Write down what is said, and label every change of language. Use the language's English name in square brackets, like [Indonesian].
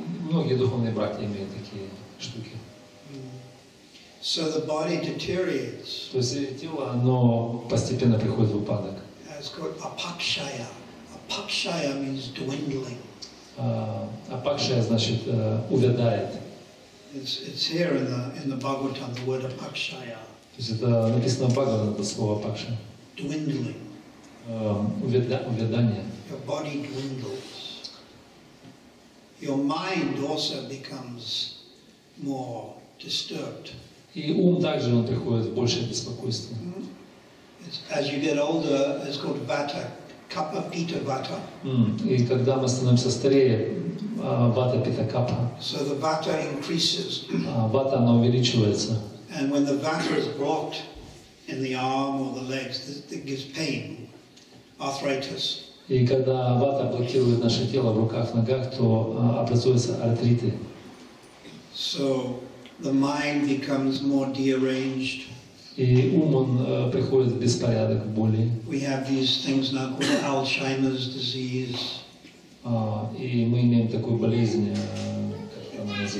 [Russian] Многие духовные братья имеют такие штуки. [English] So the body deteriorates. [Russian] То есть тело, оно постепенно приходит в упадок. [English] It's called apakshaya. Apakshaya means dwindling. [Russian] Апакшая значит увядает. [English] It's here in the Bhagavatam, the word apakshaya. [Russian] То есть это написано в Бхагаватам, это слово апакша. [English] Dwindling. [Russian] Увядание. [English] Your body dwindles. Your mind also becomes more disturbed. [Russian] И ум также, он приходит в большее беспокойство. [English] As you get older, it's called vata. Kapha, pita, vata. [Russian] И когда мы становимся старее, вата, пита, капха. [English] So the vata increases. [Russian] Вата, она увеличивается. [English] And when the vata is blocked in the arm or the legs, it gives pain, arthritis. [Russian] И когда вата блокирует наше тело в руках, ногах, то образуются артриты. [English] So the mind becomes more deranged. [Russian] И ум, он приходит в беспорядок, в боли. [English] We have these things now called Alzheimer's disease. [Russian] И мы имеем такую болезнь, как она называется.